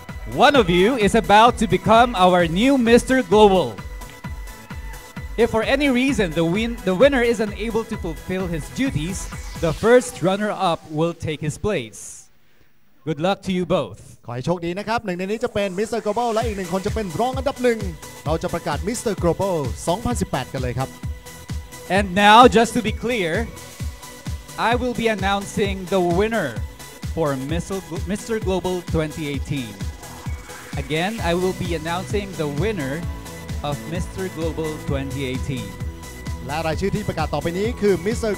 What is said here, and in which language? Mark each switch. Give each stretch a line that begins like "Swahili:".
English: One of you is about to become our new Mr. Global. If for any reason the winner isn't able to fulfill his duties, the first runner-up will take his place. Good luck to you both.
Thai: ขอให้โชคดีนะครับหนึ่งในนี้จะเป็นมิสเตอร์ Global และอีกหนึ่งคนจะเป็นรองอันดับหนึ่งเราจะประกาศมิสเตอร์ Global 2018กันเลยครับ
English: And now, just to be clear, I will be announcing the winner for Mr. Global 2018. Again, I will be announcing the winner of Mr. Global 2018.
Thai: และรายชื่อที่ประกาศต่อไปนี้คือ Mr.